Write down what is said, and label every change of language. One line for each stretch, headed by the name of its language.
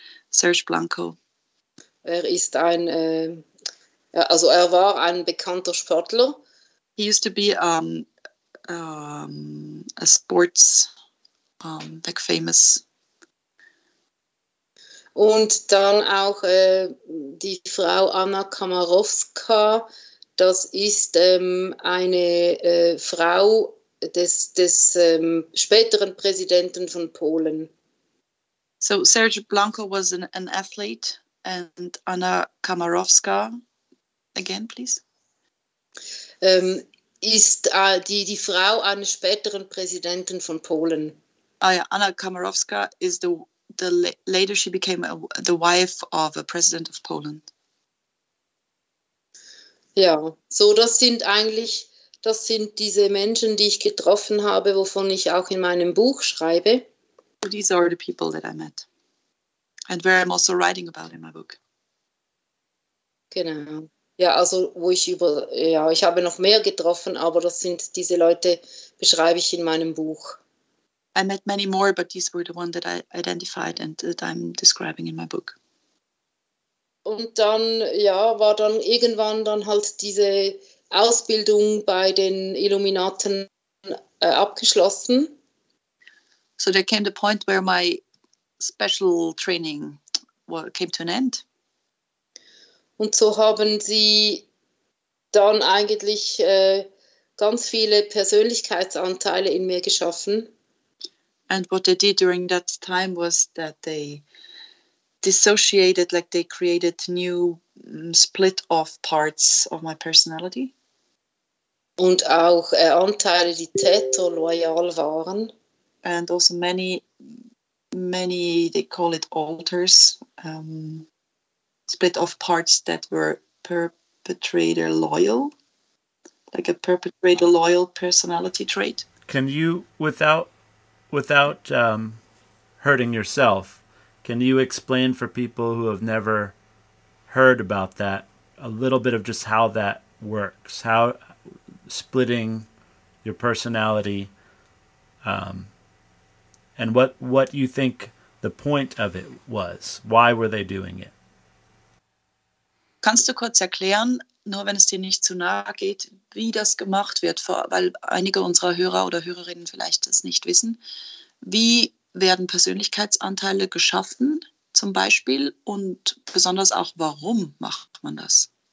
German: Serge Blanco. Er ist ein, also er war ein bekannter Sportler.
English: He used to be a sports, like famous.
German: Und dann auch die Frau Anna Kamarowska. Das ist eine Frau des späteren Präsidenten von Polen.
English: So Serge Blanco was an athlete, and Anna Kamarowska, again please.
German: Ist die Frau eines späteren Präsidenten von Polen. Ah ja,
English: Anna Kamarowska is the later she became the wife of a president of Poland.
German: Ja, so das sind eigentlich, das sind diese Menschen, die ich getroffen habe, wovon ich auch in meinem Buch schreibe.
English: These are the people that I met. And where I'm also writing about in my book.
German: Genau. Ja, also wo ich über, ja, ich habe noch mehr getroffen, aber das sind diese Leute, beschreibe ich in meinem Buch.
English: I met many more, but these were the ones that I identified and that I'm describing in my book.
German: Und dann, ja, war dann irgendwann dann halt diese Ausbildung bei den Illuminaten abgeschlossen.
English: So there came the point where my special training came to an end.
German: Und so haben sie dann eigentlich ganz viele Persönlichkeitsanteile in mir geschaffen.
English: And what they did during that time was that they dissociated, like they created new split off parts of my personality.
German: Und auch Anteile, die täter loyal waren.
English: And also many, they call it alters, split off parts that were perpetrator loyal, like a perpetrator loyal personality trait. Can you, without hurting yourself, can you explain for people who have never heard about that a little bit of just how that works, how splitting your personality, and what you think the point of it was? Why were they doing it?
German: Kannst du kurz erklären, nur wenn es dir nicht zu nahe geht, wie das gemacht wird, weil einige unserer Hörer oder Hörerinnen vielleicht das nicht wissen. Wie werden Persönlichkeitsanteile geschaffen, zum Beispiel, und besonders auch, warum macht man das?